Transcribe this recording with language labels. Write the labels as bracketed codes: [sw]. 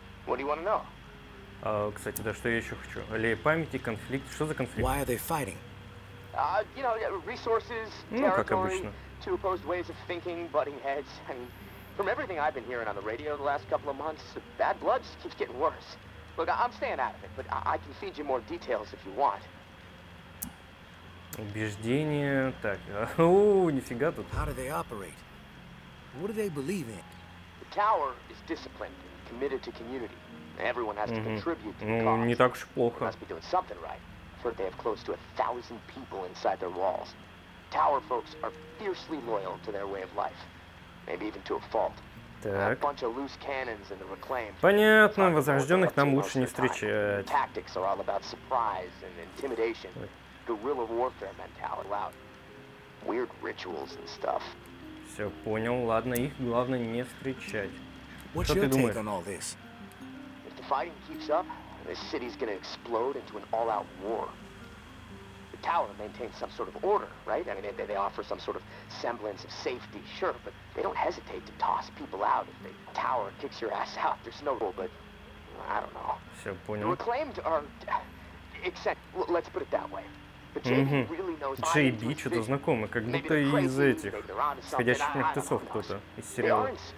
[en] What do you want to know? [ru] Кстати, да что я еще хочу? Аллея памяти, конфликт. Что за конфликт? [en] Why are they fighting? You know, resources, territory, two opposed ways of thinking, butting heads, and from everything I've been hearing on the radio the last couple of months, bad blood just keeps getting worse. Look, I'm staying out of it, but I can feed you more details if you want. [ru] Убеждение, так, нифига тут. [en] How do they operate? What do they believe in? The tower is disciplined and committed to community. Everyone has to contribute to the cause. [ru] Не так уж плохо. [en] They must be doing something right. I've heard they have close to 1,000 people inside their walls. Tower folks are fiercely loyal to their way of life. Maybe even to a fault. Так. Bunch of loose cannons in the reclaimed. [ru] Понятно, возрожденных нам лучше не встречать. [en] Tactics are all about surprise and intimidation. Guerrilla warfare mentality, loud. Weird rituals and stuff. [ru] Все понял, ладно, их главное не встречать. Что ты думаешь? [en] If the fighting keeps up, this city's gonna explode into an all-out war. The tower maintains some sort of order, right? I mean, they offer some sort of semblance of safety, sure, but they don't hesitate to toss people out if the tower kicks your ass out. There's no rule, but I don't know. [ru] Все понял. [en] Reclaimed are, except, let's put it that way. [ru] JB, что-то знакомое, как будто из этих Ходячих Мертвецов кто-то из сериала.